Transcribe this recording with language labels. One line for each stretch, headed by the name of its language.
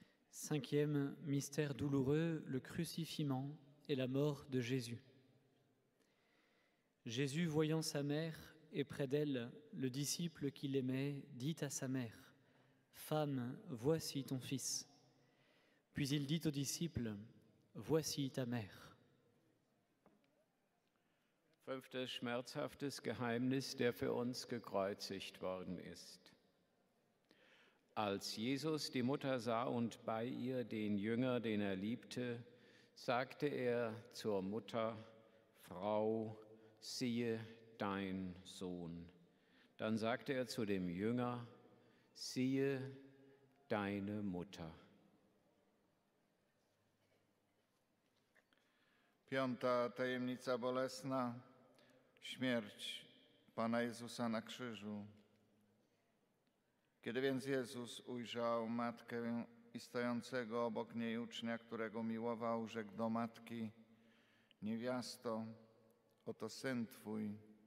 French: Cinquième mystère douloureux, le crucifixion et la mort de Jésus. Jésus, voyant sa mère et près d'elle le disciple qu'il aimait, dit à sa mère : Femme, voici ton fils. Puis il dit au disciple : Voici ta mère.
German: Fünftes schmerzhaftes Geheimnis, der für uns gekreuzigt worden ist. Als Jesus die Mutter sah und bei ihr den Jünger, den er liebte, sagte er zur Mutter: Frau, siehe dein Sohn. Dann sagte er zu dem Jünger: Siehe deine Mutter.
Polish: Piąta tajemnica bolesna, śmierć Pana Jezusa na krzyżu. Kiedy więc Jezus ujrzał matkę i stojącego obok niej ucznia, którego miłował, rzekł do matki: Niewiasto, oto syn twój.